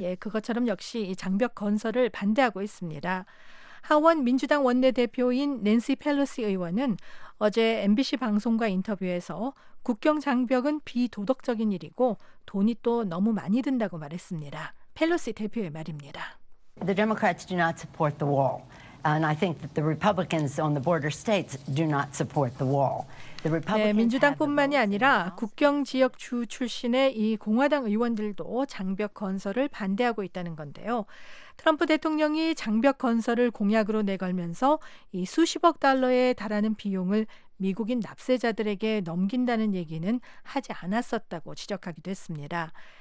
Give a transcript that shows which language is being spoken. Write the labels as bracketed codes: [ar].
[ko] 예, 그것처럼 역시 장벽 건설을 반대하고 있습니다. 하원 민주당 원내대표인 낸시 펠로시 의원은 어제 MBC 방송과 인터뷰에서 국경 장벽은 비도덕적인 일이고 돈이 또 너무 많이 든다고 말했습니다. 펠로시 대표의 말입니다. [en] The Democrats do not support the wall. And I think that the Republicans on the border states do not support the wall. [ko] 네, 민주당뿐만이 아니라 국경 지역 주 출신의 이 공화당 의원들도 장벽 건설을 반대하고 있다는 건데요. 트럼프 대통령이 장벽 건설을 공약으로 내걸면서 이 수십억 달러에 달하는 비용을 미국인 납세자들에게 넘긴다는 얘기는 하지 않았었다고 지적하기도 했습니다.